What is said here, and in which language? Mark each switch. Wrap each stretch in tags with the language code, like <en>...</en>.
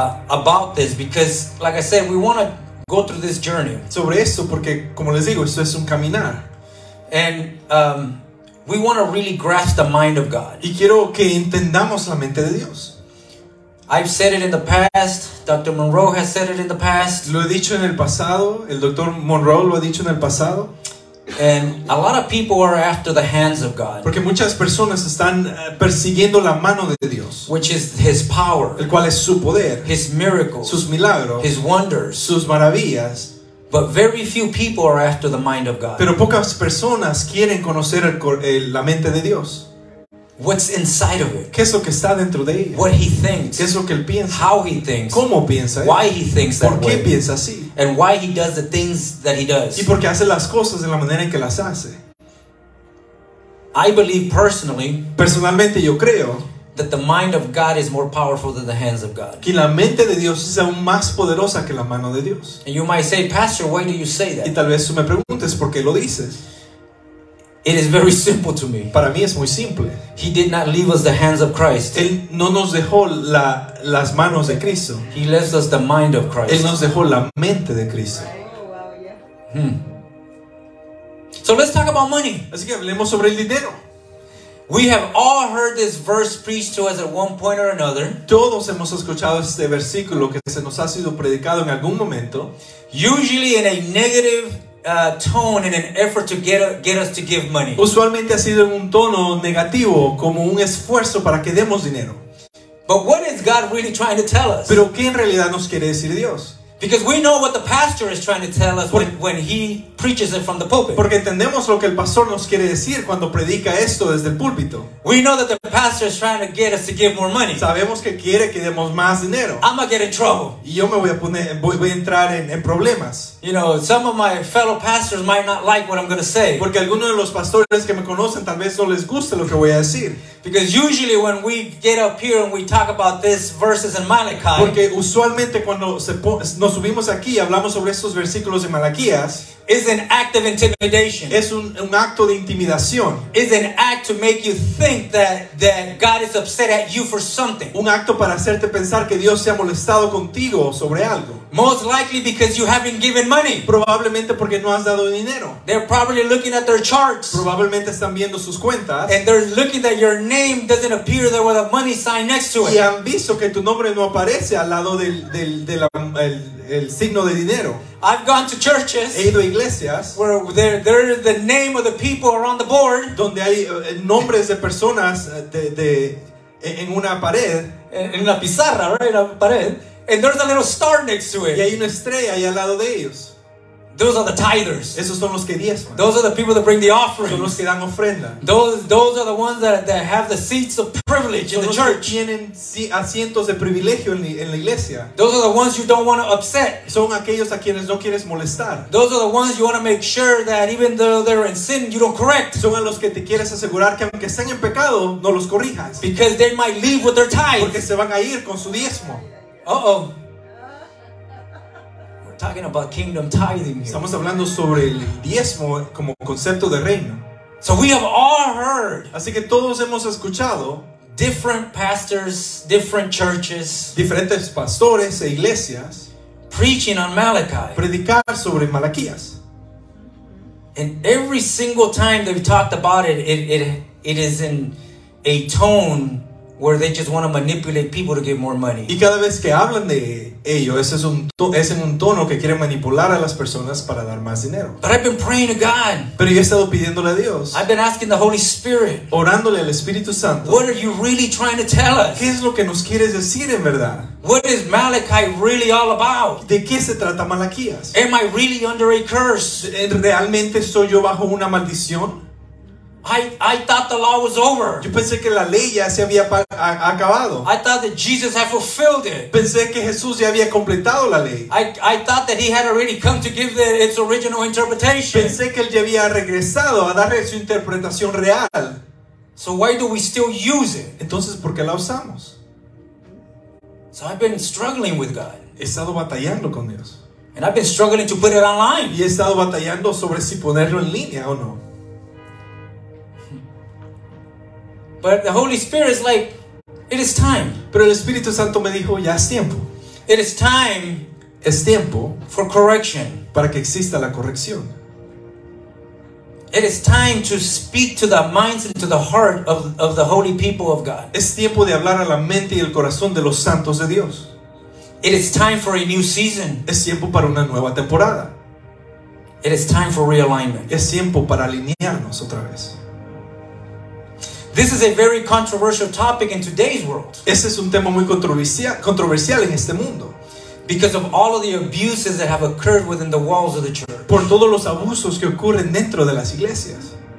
<en>About this, because like I said, we want to go through this journey.</en> <es>Sobre esto, porque como les digo, esto es un caminar.</es> <en>And we want to really grasp the mind of God.</en> <es>Y quiero que entendamos la mente de Dios.</es> <en>I've said it in the past. Dr. Monroe has said it in the past.</en> <es>Lo he dicho en el pasado. El Dr. Monroe lo ha dicho en el pasado.</es> <en>And a lot of people are after the hands of God.</en> <es>Porque muchas personas están persiguiendo la mano de Dios.</es> <en>Which is His power.</en> <es>El cual es su poder.</es> <en>His miracles.</en> <es>Sus milagros.</es> <en>His wonders.</en> <es>Sus maravillas.</es> <en>But very few people are after the mind of God.</en> <es>Pero pocas personas quieren conocer la mente de Dios.</es> <en>What's inside of it?</en> <es>¿Qué es lo que está dentro de ella?</es> <en>What he thinks?</en> <es>¿Qué es lo que él piensa?</es> <en>How he thinks?</en> <es>¿Cómo piensa él?</es> <en>Why he thinks that way?</en> <es>¿Por qué piensa así?</es> <en>And why he does the things that he does?</en> <es>¿Y por qué hace las cosas de la manera en que las hace?</es> <en>I believe personally.</en> <es>Personalmente yo creo</es> <en>that the mind of God is more powerful than the hands of God.</en> <es>Que la mente de Dios es aún más poderosa que la mano de Dios.</es> <en>And you might say, Pastor, why do you say that?</en> <es>Y tal vez tú me preguntes por qué lo dices.</es> <en>It is very simple to me.</en> <es>Para mí es muy simple.</es> <en>He did not leave us the hands of Christ.</en> <es>Él no nos dejó las manos de Cristo.</es> <en>He left us the mind of Christ.</en> <es>Él nos dejó la mente de Cristo.</es> <en>So let's talk about money.</en> <es>Así que hablemos sobre el dinero.</es> <en>We have all heard this verse preached to us at one point or another.</en> <es>Todos hemos escuchado este versículo que se nos ha sido predicado en algún momento.</es> <en>Usually in a negative tone in an effort to get us to give money.</en> <es>Usualmente ha sido en un tono negativo, como un esfuerzo para que demos dinero.</es> <en>But what is God really trying to tell us?</en> <es>Pero ¿qué en realidad nos quiere decir Dios?</es> <en>Because we know what the pastor is trying to tell us when he preaches it from the pulpit.</en> <es>Porque entendemos lo que el pastor nos quiere decir cuando predica esto desde el púlpito.</es> <en>We know that the pastor is trying to get us to give more money.</en> <es>Sabemos que quiere que demos más dinero.</es> <en>I'm gonna get in trouble.</en> <es>Y yo me voy a entrar en problemas.</es> <en>You know, some of my fellow pastors might not like what I'm gonna say.</en> <es>Porque algunos de los pastores que me conocen tal vez no les guste lo que voy a decir.</es> <en>Because usually when we get up here and we talk about these verses in Malachi.</en> <es>Porque usualmente cuando nos subimos aquí y hablamos sobre estos versículos de Malaquías.</es> <en>Is an act of intimidation.</en> <es>Es un acto de intimidación.</es> <en>Is an act to make you think that God is upset at you for something.</en> <es>Un acto para hacerte pensar que Dios se ha molestado contigo sobre algo.</es> <en>Most likely because you haven't given money.</en> <es>Probablemente porque no has dado dinero.</es> <en>They're probably looking at their charts.</en> <es>Probablemente están viendo sus cuentas.</es> <en>And they're looking that your name doesn't appear there with a money sign next to it.</en> <es>Y han visto que tu nombre no aparece al lado del signo de dinero.</es> <en>I've gone to churches.</en> <es>He ido a iglesias.</es> <en>Where there the name of the people are on the board.</en> <es>Donde hay nombres de personas de en una pared. En la pizarra,</es> <en>right?</en> <es>En la pared.</es> <en>And there's a little star next to it.</en> <es>Y hay una estrella ahí al lado de ellos.</es> <en>Those are the tithers.</en> <es>Esos son los que diezman.</es> <en>Those are the people that bring the offerings.</en> <es>Son los que dan ofrenda.</es> <en>Those are the ones that have the seats of privilege</en> <es>son</es> <en>in the church.</en> <es>Son los que tienen asientos de privilegio en la iglesia.</es> <en>Those are the ones you don't want to upset.</en> <es>Son aquellos a quienes no quieres molestar.</es> <en>Those are the ones you want to make sure that even though they're in sin, you don't correct.</en> <es>Son a los que te quieres asegurar que aunque estén en pecado, no los corrijas.</es> <en>Because they might leave with their tithe.</en> <es>Porque se van a ir con su diezmo.</es> <en>We're talking about kingdom tithing here.</en> <es>Estamos hablando sobre el diezmo como concepto de reino.</es> <en>So we have all heard.</en> <es>Así que todos hemos escuchado.</es> <en>Different pastors, different churches.</en> <es>Diferentes pastores e iglesias.</es> <en>Preaching on Malachi.</en> <es>Predicar sobre Malaquías.</es> <en>And every single time they've talked about it, it is in a tone where they just want to manipulate people to give more money.</en> <es>Y cada vez que hablan de ello, es en un tono que quieren manipular a las personas para dar más dinero.</es> <en>But I've been praying to God.</en> <es>Pero yo he estado pidiéndole a Dios.</es> <en>I've been asking the Holy Spirit.</en> <es>Orándole al Espíritu Santo.</es> <en>What are you really trying to tell us?</en> <es>¿Qué es lo que nos quieres decir en verdad?</es> <en>What is Malachi really all about?</en> <es>¿De qué se trata Malaquías?</es> <en>Am I really under a curse?</en> <es>¿Realmente estoy yo bajo una maldición?</es> <en>I thought the law was over.</en> <es>Yo pensé que la ley ya se había acabado.</es> <en>I thought that Jesus had fulfilled it.</en> <es>Pensé que Jesús ya había completado la ley.</es> <en>I thought that he had already come to give its original interpretation.</en> <es>Pensé que él ya había regresado a darle su interpretación real.</es> <en>So why do we still use it?</en> <es>Entonces, ¿por qué la usamos?</es> <en>So I've been struggling with God.</en> <es>He estado batallando con Dios.</es> <en>And I've been struggling to put it online.</en> <es>Y he estado batallando sobre si ponerlo en línea o no.</es> <en>But the Holy Spirit is like, it is time.</en> <es>Pero el Espíritu Santo me dijo, ya es tiempo.</es> <en>It is time</en> <es>es tiempo</es> <en>for correction,</en> <es>para que exista la corrección.</es> <en>It is time to speak to the minds and to the heart of the holy people of God.</en> <es>Es tiempo de hablar a la mente y el corazón de los santos de Dios.</es> <en>It is time for a new season.</en> <es>Es tiempo para una nueva temporada.</es> <en>It is time for realignment.</en> <es>Es tiempo para alinearnos otra vez.</es> <en>This is a very controversial topic in today's world.</en> <es>Ese es un tema muy controversial en este mundo.</es> <en>Because of all of the abuses that have occurred within the walls of the church.</en> <es>Por todos los abusos que ocurren dentro de las iglesias.</es>